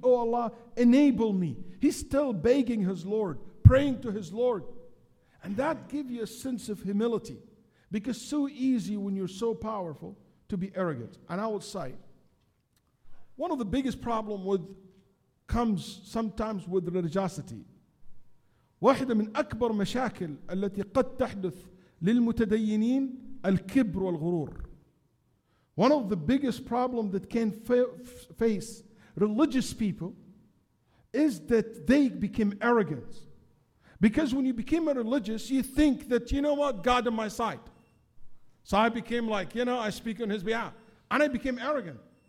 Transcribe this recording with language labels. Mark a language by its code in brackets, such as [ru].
[en] Oh Allah, enable me. He's still begging his Lord, praying to his Lord. And that gives you a sense of humility. Because so easy when you're so powerful to be arrogant. And I will say, one of the biggest problems comes sometimes with religiosity. [ar] واحدة من أكبر مشاكل التي قد تحدث للمتدينين الكبر والغرور. [en] One of the biggest problems that can face religious people is that they become arrogant. Because when you become a religious, you think that, you know what, God on my side. So I became like, you know, I speak on his behalf. And I became arrogant.